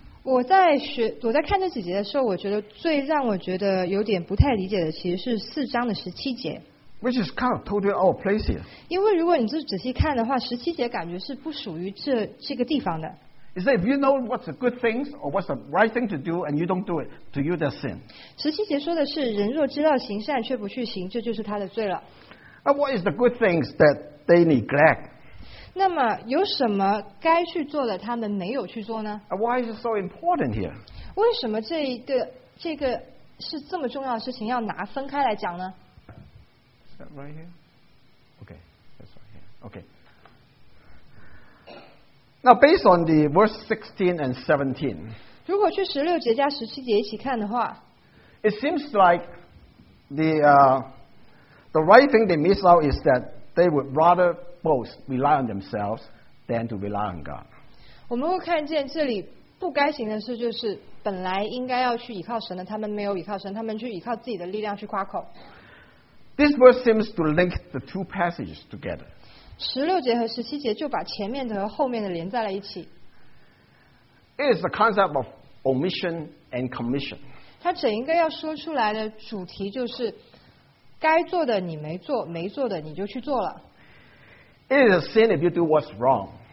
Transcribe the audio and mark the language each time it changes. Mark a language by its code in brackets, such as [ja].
[zh] 我在看这几节的时候，我觉得最让我觉得有点不太理解的，其实是四章的十七节。 [en] Which is kind of totally out of place here. [zh] 因为如果你是仔细看的话，十七节感觉是不属于这个地方的。 [en] It says if you know what's the good things or what's the right thing to do and you don't do it, to you that's sin. [zh] 十七节说的是，人若知道行善却不去行，这就是他的罪了。 [en] And what is the good things that they neglect? [zh] 那么有什么该去做的他们没有去做呢？ [en] And why is it so important here? [zh] 为什么这个是这么重要的事情要拿分开来讲呢？ [en] Is that right here? Okay, that's right here. Okay. Now based on the verse 16 and 17, [zh] 如果去十六节加十七节一起看的话， [en] it seems like the right thing they miss out is that they would rather boast, rely on themselves, than to rely on God. [zh] 我们会看见这里不该行的事，就是本来应该要去依靠神的，他们没有依靠神，他们去依靠自己的力量去夸口。 [en] This verse seems to link the two passages together. [zh] 十六节和十七节就把前面的和后面的连在了一起。 [en] It is the concept of omission and commission. [zh] 它整一个要说出来的主题就是。该做的你没做，没做的你就去做了。 [en] It is a sin if you do what's wrong.